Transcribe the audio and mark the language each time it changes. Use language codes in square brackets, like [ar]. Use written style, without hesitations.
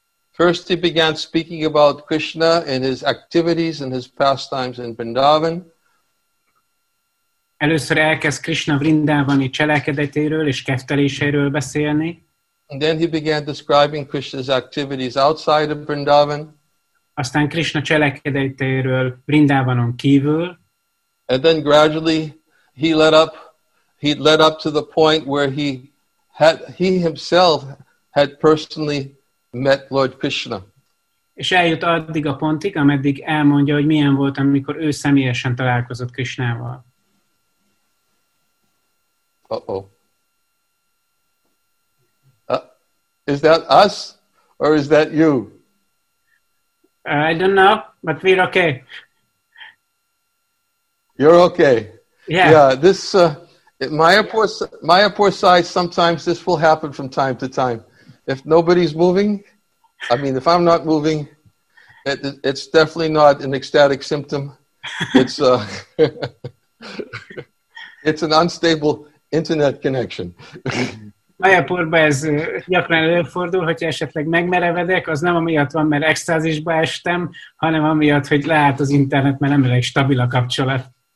[en] First he began speaking about Krishna and his activities and his pastimes in Vrindavan. [hu] Először elkezd Krishna Vrindavani cselekedetéről és kefteléseiről beszélni. [en] And then he began describing Krishna's activities outside of Vrindavan. [hu] Aztán Krishna cselekedetéről Vrindavanon kívül. [en] And then gradually he led up to the point where he himself had personally met Lord Krishna. [hu] És eljut addig a pontig, ameddig elmondja, hogy milyen volt, amikor ő személyesen találkozott Krishnával. [en] Uh-oh. Is that us or is that you? I don't know, but we're okay. You're okay. Yeah. Yeah, this Mayapur Sai, sometimes this will happen from time to time. If nobody's moving, I mean, if I'm not moving, it's definitely not an ecstatic symptom. It's it's an unstable internet connection. [hu] Mayapurban ez gyakran előfordul, hogyha esetleg megmerevedek, az nem amiatt van, mert extázisba estem, hanem amiatt, hogy leállt az internet, mert nem elég stabil a kapcsolat.